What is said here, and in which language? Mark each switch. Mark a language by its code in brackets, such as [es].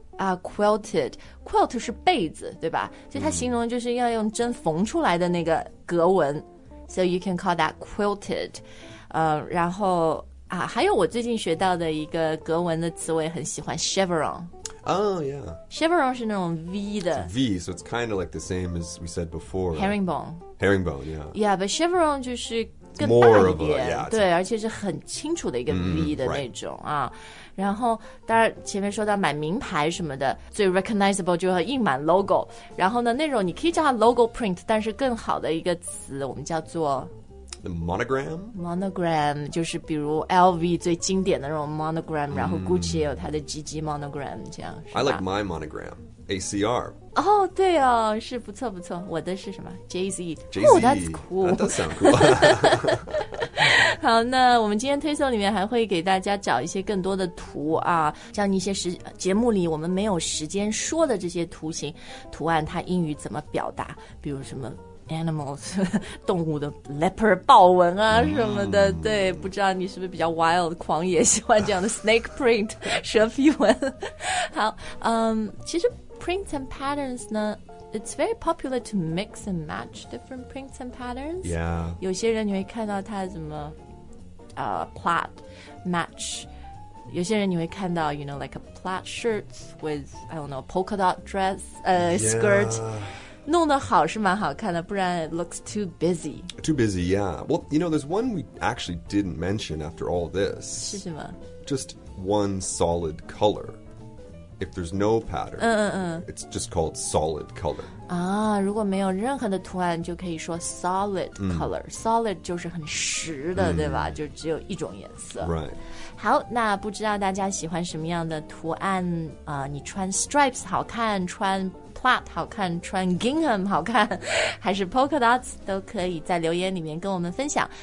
[zh] Quilted Quilt 是被子对吧所以它形容就是要用针缝出来的那个格纹 [en] So you can call that quilted [zh] 然后还有我最近学到的一个格纹的词我也很喜欢 Chevron [en] Oh, yeah [zh] Chevron 是那种 V 的 [en] V, so it's kind of like the same as we said before Herringbone Herringbone, yeah Yeah, but Chevron 就是 More of a, yeah, [zh] 对而且是很清楚的一个 V 的那种啊、right. 然后当然前面说到买名牌什么的最 recognizable 就是印满 logo 然后呢那种你可以叫它 logo print 但是更好的一个词我们叫做 [en] The monogram [zh] monogram 就是比如 LV 最经典的那种 monogram、mm. 然后 Gucci 也有它的 GG monogram 这样 [en] I like my monogram ACR [zh] 哦、oh, 对哦是不错不错我的是什么 Jay-Z [en] Jay-Z Oh that's cool That does sound cool [zh] 好那我们今天推送里面还会给大家找一些更多的图啊像一些节目里我们没有时间说的这些图形图案它英语怎么表达比如什么 animals 动物的 leopard 豹纹啊什么的、mm. 对不知道你是不是比较 wild 狂野喜欢这样的 snake print 蛇皮纹好其实Prints and patterns 呢 [en] It's very popular to mix and match different prints and patterns. Yeah. [zh] 有些人你会看到它怎么plaid match. 有些人你会看到 [en] you know, like a plaid shirt with, I don't know, polka dot dress, yeah. skirt. [zh] 弄得好是蛮好看的不然 [en] it looks too busy. Too busy, yeah. Well, you know, there's one we actually didn't mention after all this. [zh] 是什么 [en] Just one solid color. If there's no pattern, it's just called solid color. [zh] 啊，如果没有任何的图案，就可以说 solid color. Solid 就是很实的，对吧？就只有一种颜色。 [en] Right. [zh] 好，那不知道大家喜欢什么样的图案啊？你穿 stripes 好看，穿 plaid 好看，穿 gingham 好看，还是 polka dots 都可以在留言里面跟我们分享。